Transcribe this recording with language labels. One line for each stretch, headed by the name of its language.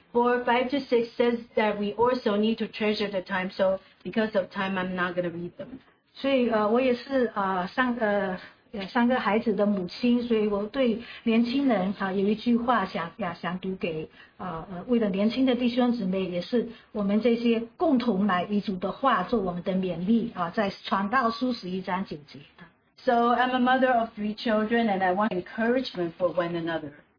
English: 4:5-6 says that we also need to treasure the time. So because of time, I'm not going to read them.
Chinese: 所以我也是三个孩子的母亲，所以我对年轻人有一句话想读给为了年轻的弟兄姊妹，也是我们这些共同来遗嘱的话做我们的勉励，在传道书11章9节。
English: So I'm a mother of three children, and I want encouragement for one another.